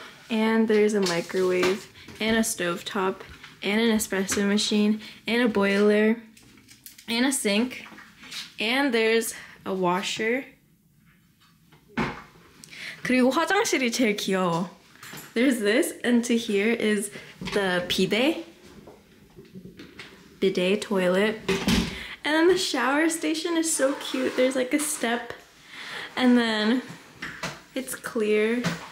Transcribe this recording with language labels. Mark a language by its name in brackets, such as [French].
[English] And there's a microwave and a stovetop and an espresso machine and a boiler and a sink. And there's a washer. [Korean] 그리고 화장실이 제일 귀여워. [English] There's this, and to here is the bidet toilet. And then the shower station is so cute. There's like a step, and then it's clear.